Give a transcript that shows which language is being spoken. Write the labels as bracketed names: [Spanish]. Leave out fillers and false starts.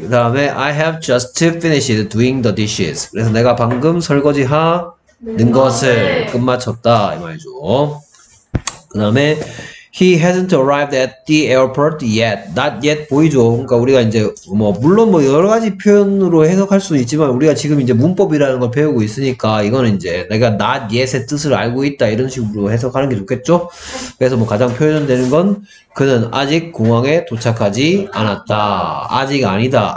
[Korean] 그 다음에, [English] I have just finished doing the dishes. [Korean] 그래서 내가 방금 설거지 하는 것을 끝마쳤다. 이 말이죠. 그 다음에, [English] He hasn't arrived at the airport yet. Not yet 보이죠. [Korean] 그러니까 우리가 이제, 뭐, 물론 뭐 여러 가지 표현으로 해석할 수는 있지만, 우리가 지금 이제 문법이라는 걸 배우고 있으니까, 이거는 이제 내가 not yet의 뜻을 알고 있다. 이런 식으로 해석하는 게 좋겠죠? 그래서 뭐 가장 표현되는 건, 그는 아직 공항에 도착하지 않았다. 아직 아니다.